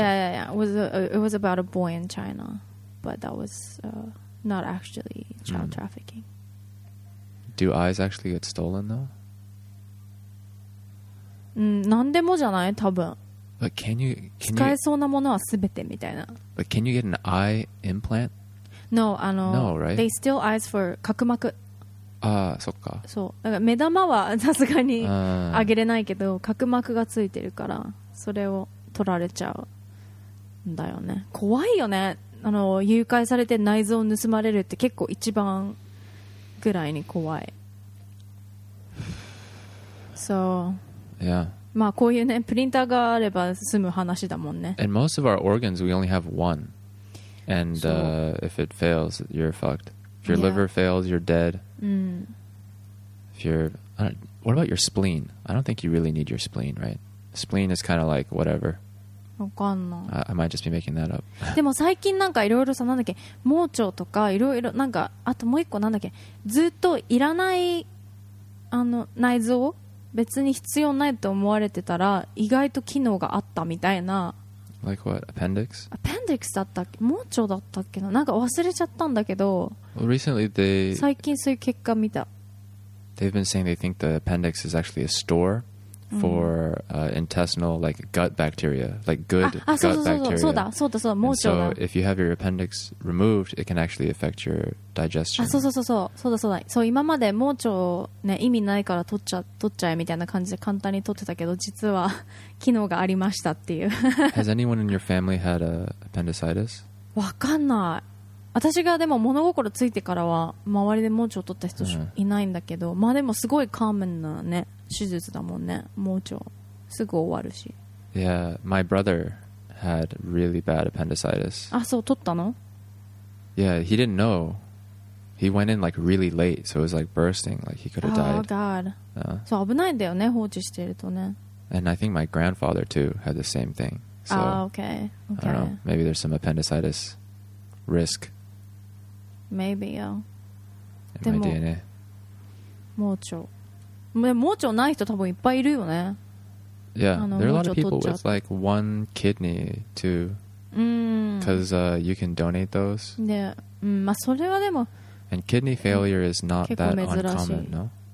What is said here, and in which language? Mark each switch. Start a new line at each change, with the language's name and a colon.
English: Yeah, it was it was about a boy in China, but that was not actually child trafficking. Do eyes actually get stolen though?
Japanese: なんでもじゃない多分。
English: But can you
Japanese: 使えそうなものはすべてみたいな。
English: But can you get an eye implant? No, right? They steal eyes for 角膜。
Japanese: ああ、そっか。そう、だから目玉はさすがにあげれないけど、角膜がついてるからそれを取られちゃうんだよね。怖いよね。あの誘拐されて内臓を盗まれるって結構一番ぐらいに怖い。 So, yeah. まあこういうねプリンターがあれば済む話だもんね。
English: And most of our organs we only have one. And、if it fails you're fucked. If your、yeah. liver fails you're dead、If you're what about your spleen? I don't think you really need your spleen, right? Spleen is kind of like whatever.
Japanese: わかんない
English: I might just be making that up.
Japanese: でも最近なんかいろいろさ、なんだっけ、盲腸とかいろいろなんか、あともう一個なんだっけ、ずっといらないあの内臓別に必要ないと思われてたら意外と機能があったみたいな。
English: Like what? Appendix?
Japanese: Appendix だったっけ、盲腸だったっけ、なんか忘れちゃったんだけど、
English: well, recently they
Japanese: 最近そういう結果見た。
English: They've been saying they think the appendix is actually a store for、intestinal like gut bacteria, like good gut bacteria.
Japanese: そうだ盲腸だ。
English: So if you have your appendix removed it can actually affect your digestion.
Japanese: そうだ。そう、今まで盲腸ね意味ないから取っちゃえみたいな感じで簡単に取ってたけど、実は機能がありましたっていう。
English: Has anyone in your family had appendicitis?
Japanese: わかんない。私がでも物心ついてからは周りで盲腸を取った人いないんだけど、まあでもすごいカーメンなね手術だもんね、盲腸すぐ終わるし。
English: Yeah, my brother had really bad appendicitis.
Japanese: あ、そう、取ったの？
English: Yeah, he didn't know. He went in like really late, so it was like bursting, like he could have died. Oh god.
Japanese: そう、危ないんだよね、放置してるとね。
English: And I think my grandfather too had the same thing. So, okay. I don't know, maybe there's some appendicitis risk. Maybe, yeah.
Japanese: でも、DNA. 盲腸。盲腸ない人多分いっぱいいるよね。
English: Yeah, there are a lot of people with like one kidney too. Because you can donate those.
Japanese: Yeah, まあそれはでも。
English: And kidney failure is not that uncommon, no?